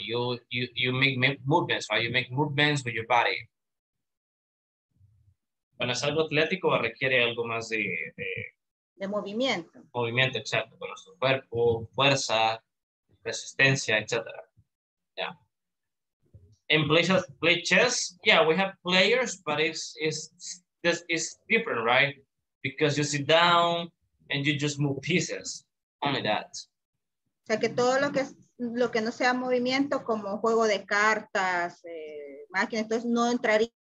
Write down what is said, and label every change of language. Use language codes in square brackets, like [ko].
[en] You make movements, right? You make movements with your body. [es] Bueno, es algo atlético o requiere algo más de movimiento. Movimiento, exacto. Con nuestro cuerpo, fuerza, resistencia, etc. Yeah. [en] In place of play chess, yeah, we have players, but it's different, right? Because you sit down and you just move pieces. Only that. [es] O sea, que todo lo que no sea movimiento, como juego de cartas, máquinas, entonces no entraría.